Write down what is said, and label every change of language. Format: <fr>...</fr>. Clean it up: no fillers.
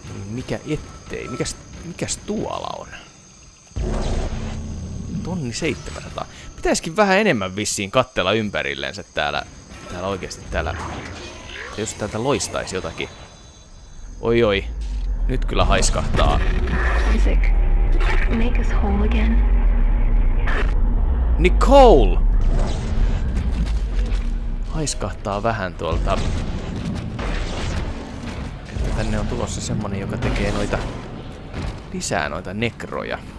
<fi>Mikä ettei? Mikäs tuolla on? 1 700. Pitäisikin vähän enemmän vissiin kattella ympärillensä täällä oikeesti täällä... Jos täältä loistaisi jotakin... Oi oi! Nyt kyllä haiskahtaa.</fi> <en>Isaac, make us whole again. Nicole!</en> <fi>Haiskahtaa vähän tuolta. Että tänne on tulossa semmonen, joka tekee lisää noita nekroja.</fi>